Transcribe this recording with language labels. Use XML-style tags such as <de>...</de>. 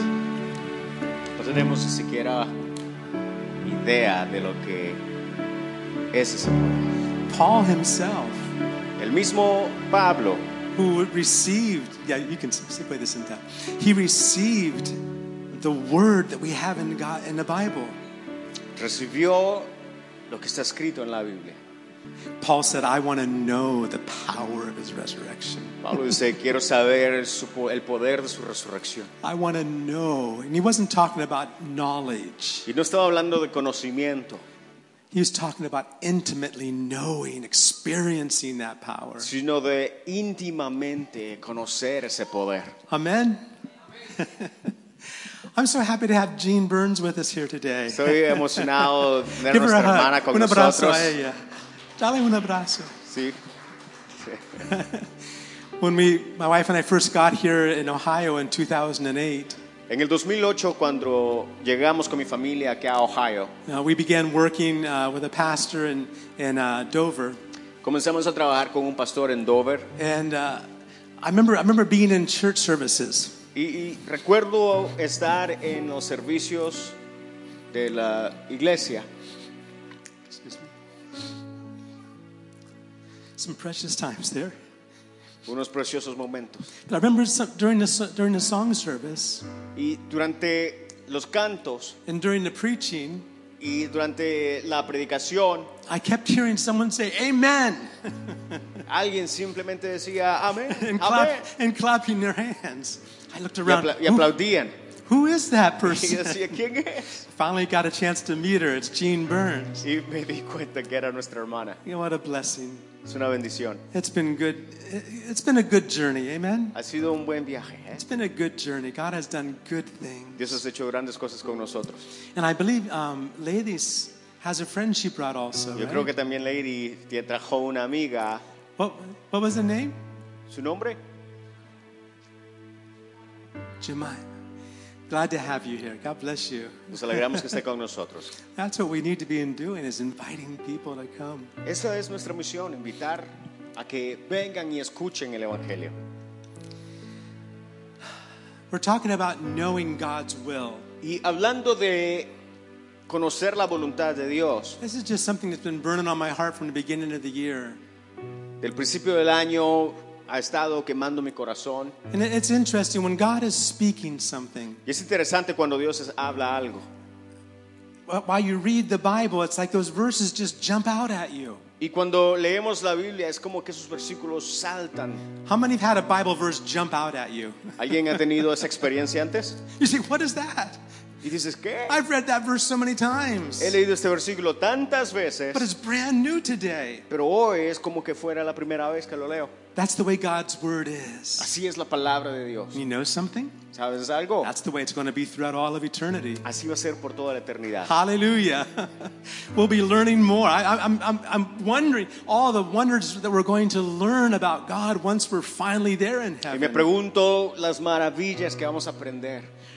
<es>No tenemos ni siquiera idea de lo que es ese poder.</es> <en>Paul himself,</en> <es>el mismo Pablo,</es> <en>who received, yeah, you can simply this in time. He received the word that we have in God in the Bible.</en> <es>Recibió lo que está escrito en la Biblia.</es> <en>Paul said, "I want to know the power of his resurrection."</en> <es>Pablo dice, quiero saber el poder de su resurrección.</es> <en>I want to know, and he wasn't talking about knowledge.</en> <es>Y no estaba hablando de conocimiento.</es> <en>He was talking about intimately knowing, experiencing that power.</en> <es>Sino de íntimamente conocer ese poder.</es> <en>Amen. I'm so happy to have Jean Burns with us here today.</en> <es>Estoy emocionado de tener nuestra hermana con un abrazo nosotros. A ella. Dale un abrazo. Sí.</es> <en>When we, my wife and I first got here in Ohio in 2008.</en> <es>En el 2008 cuando llegamos con mi familia aquí a Ohio.</es> <en>We began working with a pastor in Dover.</en> <es>Comenzamos a trabajar con un pastor en Dover.</es> <en>And I remember being in church services.</en> <es>Y recuerdo estar en los servicios de la iglesia.</es> <en>Some precious times there.</en> <es>Unos preciosos momentos.</es> <en>But I remember some, during the song service.</en> <es>Y durante los cantos.</es> <en>And during the preaching.</en> <es>Y durante la predicación.</es> <en>I kept hearing someone say, "Amen."</en> <es>Alguien simplemente decía, "Amén."</es> <en>And clapping their hands. I looked around.</en> <es>Y aplaudían.</es> <en>Who is that person?</en> <es>Y decía, ¿quién es?</es> <en>Finally got a chance to meet her. It's Jean Burns.</en> <es>Y me di cuenta que era nuestra hermana.</es> <en>You know, what a blessing.</en> <es>Es una bendición.</es> <en>It's been good. It's been a good journey, amen.</en> <es>Ha sido un buen viaje, ¿eh?</es> <en>It's been a good journey. God has done good things.</en> <es>Dios ha hecho grandes cosas con nosotros.</es> <en>And I believe ladies has a friend she brought also.</en> <es>Yo creo que también Lady te trajo una amiga.</es> <en>What was her name?</en> <es>Su nombre.</es> <en>Jemima. Glad to have you here. God bless you.</en> <es>Nos alegramos que esté con nosotros.</es> <en>That's what we need to be in doing, is inviting people to come.</en> <es>Esa es nuestra misión, invitar a que vengan y escuchen el evangelio.</es> <en>We're talking about knowing God's will.</en> <es>Y hablando de conocer la voluntad de Dios.</es> <en>This is just something that's been burning on my heart from the beginning of the year.</en> <es>Del principio del año ha estado quemando mi corazón.</es> <en>And it's interesting when God is speaking something.</en> <es>Y es interesante cuando Dios habla algo.</es> <en>While you read the Bible, it's like those verses just jump out at you.</en> <es>Y cuando leemos la Biblia es como que esos versículos saltan.</es> <en>How many have had a Bible verse jump out at you?</en> <es>¿Alguien ha tenido esa experiencia antes?</es> <en>You say, "What is that?"</en> <es>Y dices, ¿qué?</es> <en>I've read that verse so many times.</en> <es>He leído este versículo tantas veces.</es> <en>But it's brand new today.</en> <es>Pero hoy es como que fuera la primera vez que lo leo.</es> <en>That's the way God's word is.</en> <es>Así es la palabra de Dios.</es> <en>You know something?</en> <es>¿Sabes algo?</es> <en>That's the way it's going to be throughout all of eternity.</en> <es>Así va a ser por toda la eternidad.</es> <en>Hallelujah. We'll be learning more. I'm wondering all the wonders that we're going to learn about God once we're finally there in heaven.</en> <es>Y me pregunto las maravillas que vamos a aprender.</es>